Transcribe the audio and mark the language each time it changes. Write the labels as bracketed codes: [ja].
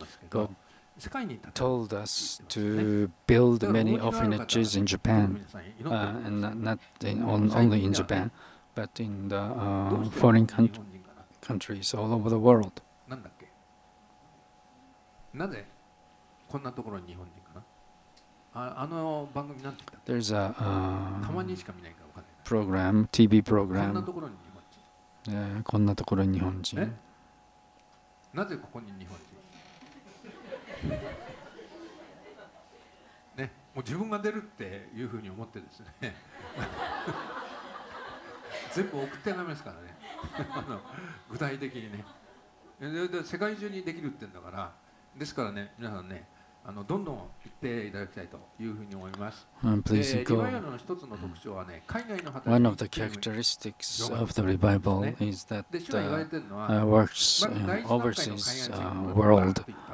[en] God told us to build many orphanages in Japan, and not only in Japan, but in the foreign countries all over the world. [ja] なんだっけ。なぜこんなところに日本人かな。あの番組なんて言ったっけ。たまにしか見ないからわかんない。プログラム、TV プログラム。こんなところに日本人。こんなところに日本人。なぜここに日本人。ね、もう自分が出るっていうふうに思ってですね。全部送ってダメですからね。具体的にね。で世界中にできるって言うんだから、ですからね、皆さんね、どんどん行っていただきたいというふうに思います。 [en] Please go. [ja] の一つの特徴はね、海外の働き。 [en] One of the characteristics of the revival is that works overseas world.